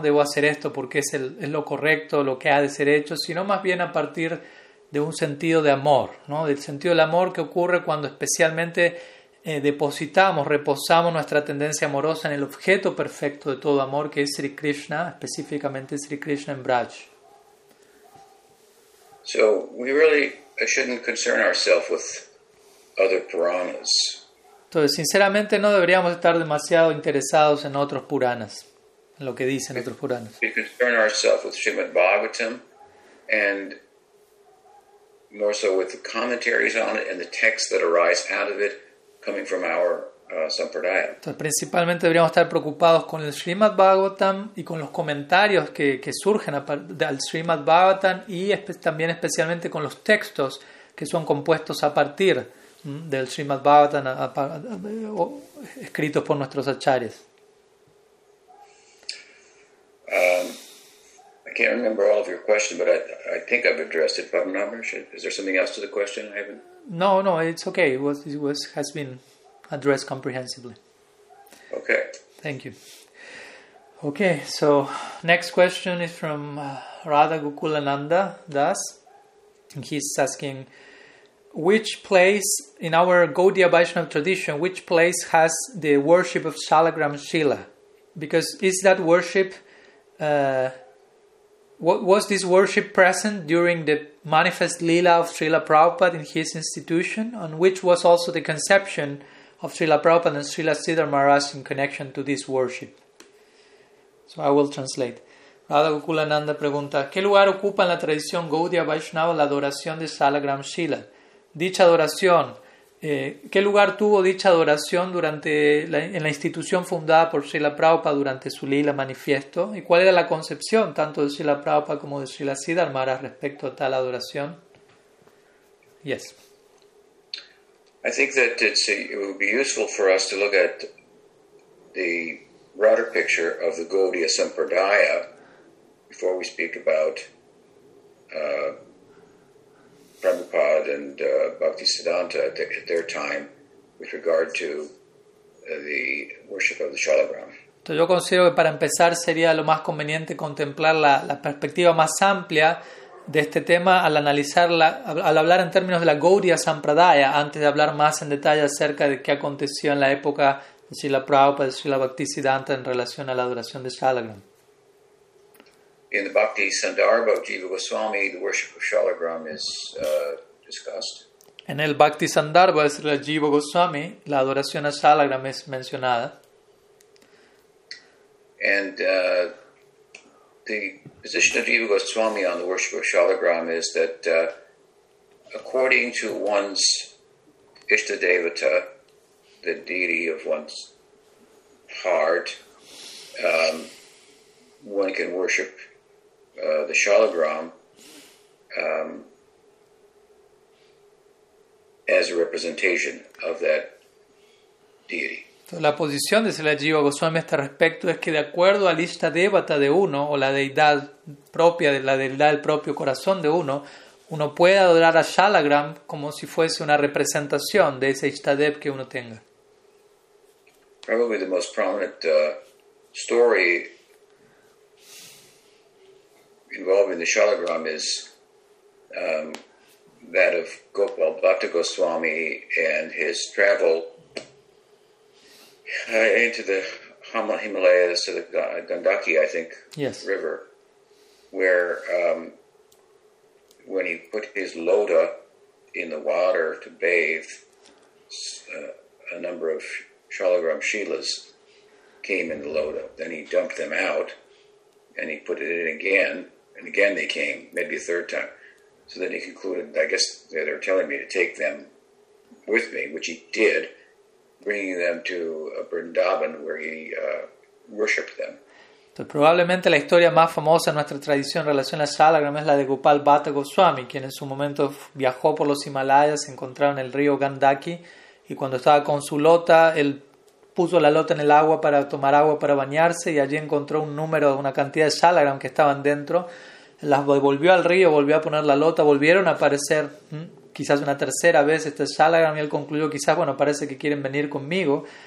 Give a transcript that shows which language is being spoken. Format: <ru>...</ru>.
<es>Debo hacer esto porque es lo correcto, lo que ha de ser hecho, sino más bien a partir de un sentido de amor, ¿no? Del sentido del amor que ocurre cuando especialmente depositamos, reposamos nuestra tendencia amorosa en el objeto perfecto de todo amor, que es Sri Krishna, específicamente Sri Krishna en Braj.</es> <en>So we really shouldn't concern ourselves with other puranas.</en> <es>Entonces, sinceramente, no deberíamos estar demasiado interesados en otros puranas, en lo que dicen otros puranas.</es> <en>We concern ourselves with Srimad Bhagavatam and more so with the commentaries on it and the texts that arise out of it, coming from our sampradaya.</en> <es>Entonces, principalmente deberíamos estar preocupados con el Srimad Bhagavatam y con los comentarios que surgen al Srimad Bhagavatam y también especialmente con los textos que son compuestos a partir del Srimad Bhagavatam escritos por nuestros acharyas.</es> <en>I can't remember all of your questions, but I think I've addressed it. But I'm not sure. Is there something else to the question? I haven't. No, it's okay. It has been addressed comprehensively. Okay. Thank you. Okay, so next question is from Radha Gokulananda Das. He's asking, which place in our Gaudiya Vaishnava tradition, which place has the worship of Shalagram Shila? Because is that worship, was this worship present during the manifest Lila of Srila Prabhupada in his institution, and which was also the conception of Srila Prabhupada and Srila Siddhar Maharaj in connection to this worship? So I will translate.</en> <es>Radha Gokulananda pregunta, ¿qué lugar ocupa en la tradición Gaudiya Vaishnava la adoración de Shalagram Shila? Dicha adoración, ¿qué lugar tuvo dicha adoración durante en la institución fundada por Srila Prabhupada durante su Lila Manifiesto? ¿Y cuál era la concepción tanto de Srila Prabhupada como de Srila Siddhar Maharaj respecto a tal adoración?</es> <en>Yes. I think that it would be useful for us to look at the broader picture of the Gaudiya Sampradaya before we speak about Prabhupada and Bhaktisiddhanta at their time with regard to the worship of the Shalagram.</en> <es>Entonces yo considero que para empezar sería lo más conveniente contemplar la perspectiva más amplia de este tema al analizarla, al hablar en términos de la Gaudiya Sampradaya antes de hablar más en detalle acerca de qué aconteció en la época de Srila Prabhupada y Srila Bhaktisiddhanta en relación a la adoración de Shalagram.</es> <en>In the Bhakti Sandarbha of Jiva Goswami, the worship of Shalagram is discussed.</en> <es>En el Bhakti Sandarbha de Jiva Goswami, la adoración a Shalagram es mencionada.</es> <en>And the position of Jiva Goswami on the worship of Shalagram is that according to one's Ishta Devata, the deity of one's heart, one can worship the Shalagram, as a representation of that deity.</en> <es>La posición de Srila Jiva Goswami a este respecto es que de acuerdo al Ishta Devata de uno, o la deidad propia, la deidad del propio corazón de uno, uno puede adorar a Shalagram como si fuese una representación de ese Ishta Dev que uno tenga.</es> <en>Probably the most prominent story involving the Shalagram is that of Gopal Bhatta Goswami and his travel into the Himalayas, to the Gandaki, I think, yes, river, where when he put his loda in the water to bathe, a number of Shalagram Shilas came in the loda. Then he dumped them out, and he put it in again, and again they came, maybe a third time. So then he concluded, I guess they're telling me to take them with me, which he did, bringing them to Vrindavan, where he worshipped them.</en> <es>Entonces, probablemente la historia más famosa en nuestra tradición en relación a Shalagram es la de Gopal Bhatta Goswami, quien en su momento viajó por los Himalayas, se encontraron en el río Gandaki, y cuando estaba con su lota, él puso la lota en el agua para tomar agua para bañarse, y allí encontró un número, una cantidad de Shalagram que estaban dentro, las devolvió al río, volvió a poner la lota, volvieron a aparecer quizás una tercera vez este Shalagram, y él concluyó, quizás, bueno, parece que quieren venir conmigo.</es>